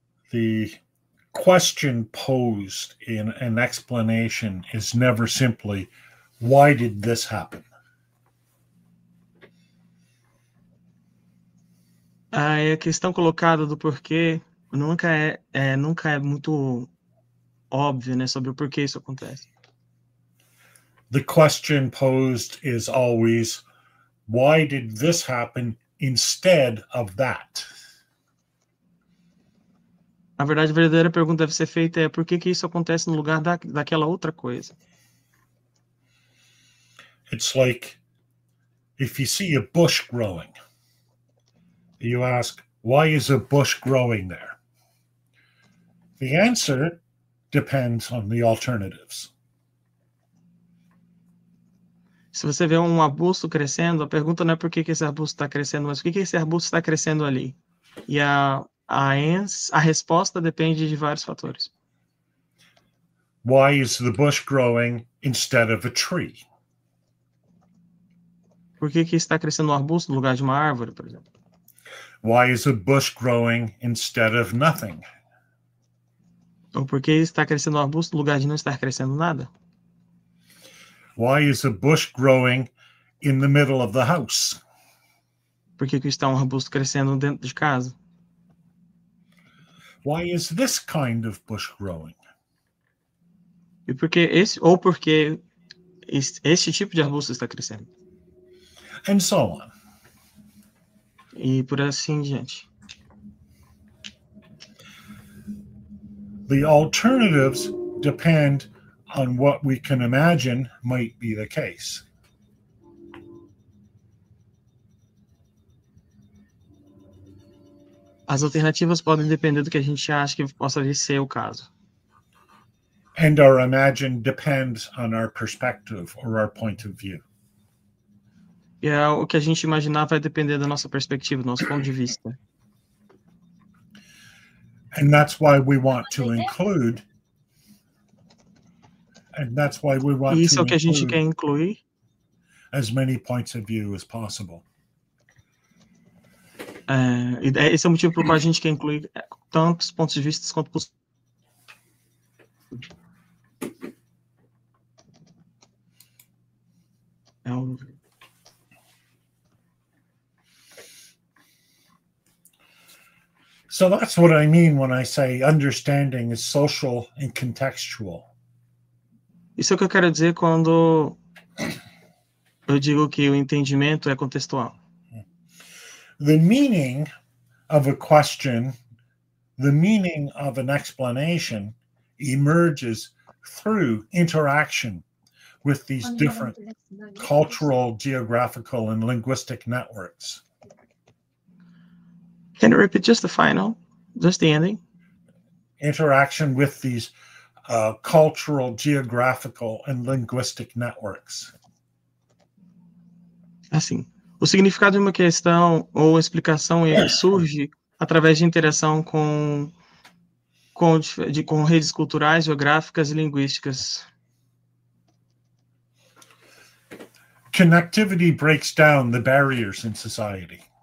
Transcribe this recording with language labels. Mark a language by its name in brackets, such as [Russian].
[English] The question posed in an explanation is never simply, why did this happen? [Portuguese] A questão colocada do porquê nunca é muito óbvio, né, sobre o porquê isso acontece. [English] The question posed is always, why did this happen instead of that? [Portuguese] A verdadeira pergunta deve ser feita é por que que isso acontece no lugar daquela outra coisa? [English] It's like if you see a bush growing, you ask, why is a bush growing there? The answer depends on the alternatives. [Portuguese] Se você vê um arbusto crescendo, a pergunta não é por que que esse arbusto está crescendo, mas por que que esse arbusto está crescendo ali? E a resposta depende de vários fatores. [English] Why is the bush growing instead of a tree? [Portuguese] Por que que está crescendo um arbusto no lugar de uma árvore, por exemplo? [English] Why is a bush growing instead of nothing? [Portuguese] Ou por que está crescendo um arbusto no lugar de não estar crescendo nada? [English] Why is a bush growing in the middle of the house? [Portuguese] Por que que está um arbusto crescendo dentro de casa? [English] Why is this kind of bush growing? [Portuguese] E porque esse ou porque esse tipo de arbusto está crescendo? [English] And so on. [Portuguese] E por assim em diante. [English] The alternatives depend on what we can imagine might be the case. [Portuguese] As alternativas podem depender do que a gente acha que possa vir ser o caso. [English] And our imagine depends on our perspective or our point of view. [Portuguese] E é o que a gente imaginar vai depender da nossa perspectiva, do nosso ponto de vista. [English] And that's why we want to include, and that's why we want [Portuguese] E isso é [English] to [Portuguese] o que a gente quer [English] include [Portuguese] incluir. [English] as many points of view as possible. [Portuguese] Esse é o motivo pelo qual a gente quer incluir tantos pontos de vista quanto possível. [English] So So that's what I mean when I say understanding is social and contextual. [Portuguese] Isso é o que eu quero dizer quando eu digo que o entendimento é contextual. [English] The meaning of a question, the meaning of an explanation emerges through interaction with these different cultural, geographical, and linguistic networks. Can you repeat just the final, just the ending? Interaction with these cultural, geographical, and linguistic networks. [Portuguese] Assim, o significado de uma questão ou explicação surge através de interação com redes culturais, geográficas e linguísticas. [English] Connectivity breaks down the barriers in society.